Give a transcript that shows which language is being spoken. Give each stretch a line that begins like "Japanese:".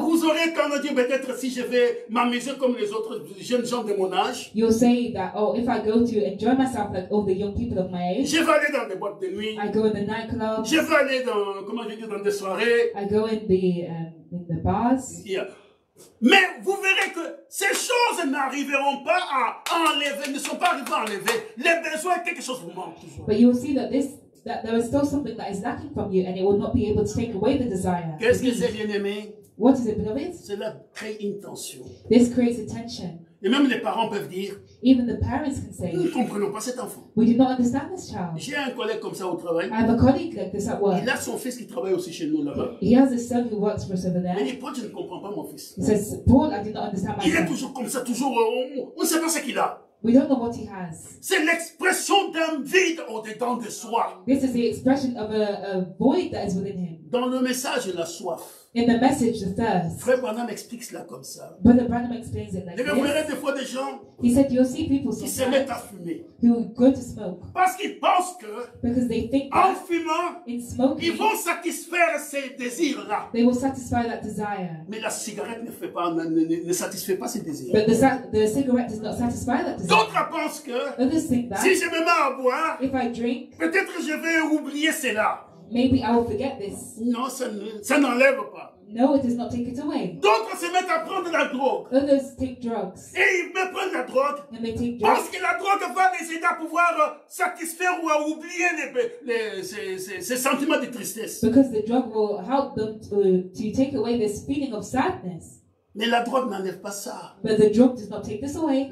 French: Vous aurez quand même dit peut-être si je vais m'amuser comme les autres jeunes gens de mon âge.
English: You'll say that, oh, if I go to enjoy myself like all the young people of my age.
French: Je vais aller dans des boîtes de nuit.
English: I go in the nightclub.
French: Je vais aller dans des soirées.
English: I go in the bars. Yeah.
French: Mais vous verrez que ces choses n'arriveront pas à enlever, ne sont pas arrivées à enlever les besoins. Quelque chose vous manque toujours.
English: But you will see that there is still something that is lacking from you, and it will not be able to take away the desire.
French: Qu'est-ce que c'est, bien-aimé?
English: What is the point of it?
French: Cela crée une tension.
English: This creates a tension.
French: Et même les parents peuvent dire,
English: even the parents can say,
French: nous ne comprenons pas cet enfant.
English: We do not understand this child.
French: J'ai un collègue comme ça au travail.
English: I have a colleague like this at work.
French: Il a son fils qui travaille aussi chez nous là-bas.
English: He has a son who works for us over there.
French: Mais il dit, Paul, je ne comprends pas mon fils.
English: He says, Paul, I do not understand my son.
French: Il est toujours comme ça, toujours on ne sait pas ce qu'il a.
English: We don't know what he has.
French: C'est l'expression d'un vide au-dedans de soi.
English: This is the expression of a void that is within him.
French: Dans le message, la soif.
English: In the message, the thirst.
French: Frère Branham explique cela comme ça.
English: Brother Branham explains it like this.
French: Vous verrez des fois des gens.
English: He said you'll see people
French: qui se mettent à fumer.
English: Who go to smoke.
French: Parce qu'ils pensent que.
English: Because they think.
French: En fumant.
English: In smoking.
French: Ils vont satisfaire ces désirs là.
English: They will satisfy that desire.
French: Mais la cigarette ne fait pas, ne satisfait pas ces désirs.
English: But the cigarette does not satisfy that desire.
French: D'autres pensent que.
English: Others think that.
French: Si je me mets à boire.
English: If I drink.
French: Peut-être je vais oublier cela.
English: Maybe I will forget this.
French: Non, ça n'enlève pas.
English: No, it does not take it away.
French: D'autres se mettent à prendre la drogue.
English: Others take drugs.
French: Et ils me prennent la drogue.
English: And they take drugs.
French: Parce que la drogue va les aider à pouvoir satisfaire ou à oublier ces sentiments de tristesse.
English: Because the drug will help them to take away this feeling of sadness.
French: Mais la drogue n'enlève pas ça.
English: But the drug does not take this away.